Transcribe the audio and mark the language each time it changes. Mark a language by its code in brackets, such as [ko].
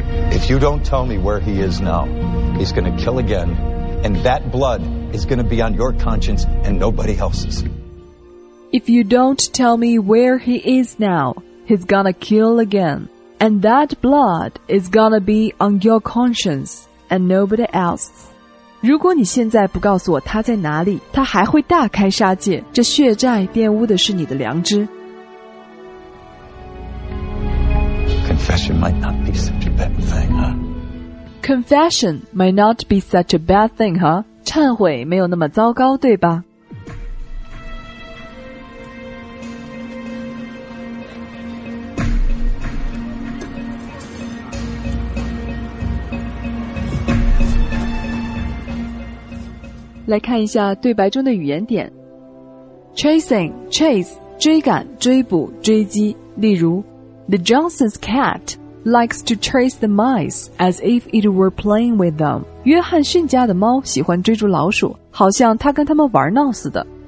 [en] If you don't tell me where he is now, he's going to kill again, and that blood is going to be on your conscience and nobody else's. If you don't tell me where he is now, he's going to kill again. And that blood is gonna be on your conscience and nobody else. [zh] 如果你现在不告诉我他在哪里，他还会大开杀戒，这血债玷污的是你的良知。 [en] Confession might not be such a bad thing, huh? Confession might not be such a bad thing, huh? [zh] 忏悔没有那么糟糕，对吧？来看一下对白中的语言点。 Chasing, chase, 追赶、追捕、追击。 [en] 例如 The Johnson's cat likes to chase the mice as if it were playing with them. [zh] 约翰逊家的猫喜欢追逐老鼠，好像他跟他们玩闹似的。